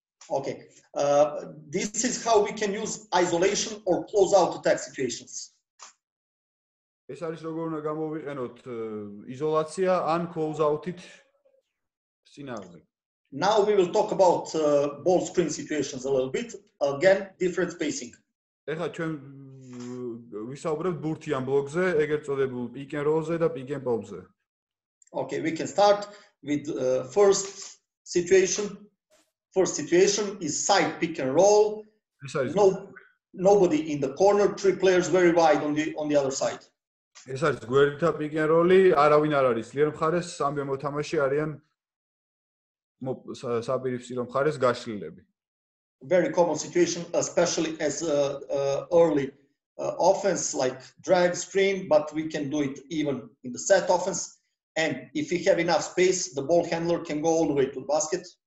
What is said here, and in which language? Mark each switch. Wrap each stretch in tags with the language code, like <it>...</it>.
<en>Okay, this is how we can use isolation or close out attack situations.</en> <ka>ეს არის როგორ უნდა გამოვიყენოთ იზოლაცია ან close out-ით სინაღლე.</ka> <en>Now we will talk about ball screen situations a little bit, again different spacing.</en> <ka>ეხა ჩვენ ვისაუბრებთ ბურთი ამ ბლოკზე, ეგრეთ წოდებულ pick and roll-ზე და pick and pop-ზე.</ka> <en>Okay, we can start with first situation. First situation is side pick and roll. Nobody in the corner, three players very wide on the other side.</en> <ka>ეს არის გვერდითა pick and roll-ი, არავინ არ არის ძლიერ მხარეს, სამი მოთამაშე არიან საპირისპირო მხარეს გაშლილები.</ka> <en>Very common situation especially as early offense like drag screen, but we can do it even in the set offense, and if we have enough space the ball handler can go all the way to the basket.</en>